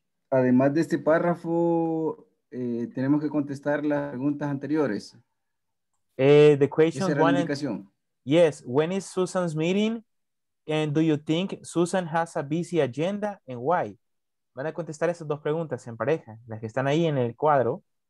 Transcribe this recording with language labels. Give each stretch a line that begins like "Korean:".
Spanish: Además de este párrafo, tenemos que contestar las preguntas anteriores.
English: The question one. Yes, when is Susan's meeting? And do you think Susan has a busy agenda and why?
Spanish: Van a contestar esas dos preguntas en pareja, las que están ahí en el cuadro.